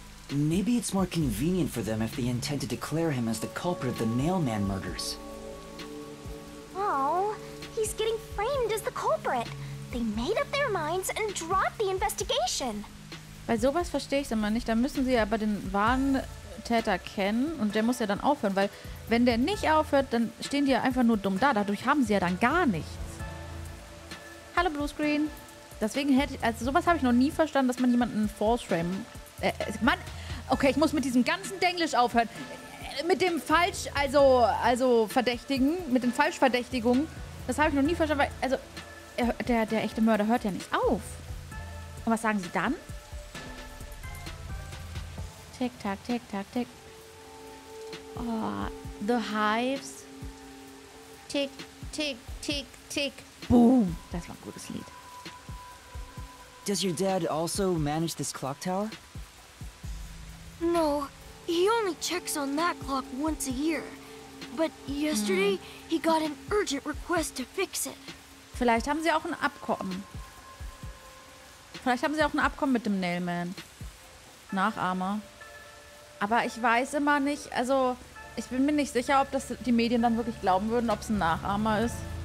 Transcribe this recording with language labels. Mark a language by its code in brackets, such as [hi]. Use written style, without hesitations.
[en] Maybe it's more convenient for them if they intend to declare him as the culprit of the mailman murders. Oh, he's getting framed as the culprit. They made up their minds and dropped the investigation. [de] Bei sowas verstehe ich es immer nicht. Da müssen sie aber den wahren Täter kennen und der muss ja dann aufhören. Weil wenn der nicht aufhört, dann stehen die ja einfach nur dumm da. Dadurch haben sie ja dann gar nichts. Hallo Bluescreen. Deswegen hätte ich, also sowas habe ich noch nie verstanden, dass man jemanden [en] false frame. [de] Mann, okay, ich muss mit diesem ganzen Denglisch aufhören. Mit dem falsch, also Verdächtigen, mit den Falschverdächtigungen. Das habe ich noch nie verstanden, weil, also, der echte Mörder hört ja nicht auf. Und was sagen sie dann? [en] Tick, tack, tick, tack, tick. Oh, the hives. [de] Tick, tick, tick, tick. Boom! Das war ein gutes Lied. [en] Does your dad also manage this clock tower? No, he only checks on that clock once a year. But yesterday, he got an urgent request to fix it. [de] Vielleicht haben sie auch ein Abkommen. Vielleicht haben sie auch ein Abkommen mit dem Nailman. Nachahmer. Aber ich weiß immer nicht, also ich bin mir nicht sicher, ob das die Medien dann wirklich glauben würden, ob es ein Nachahmer ist.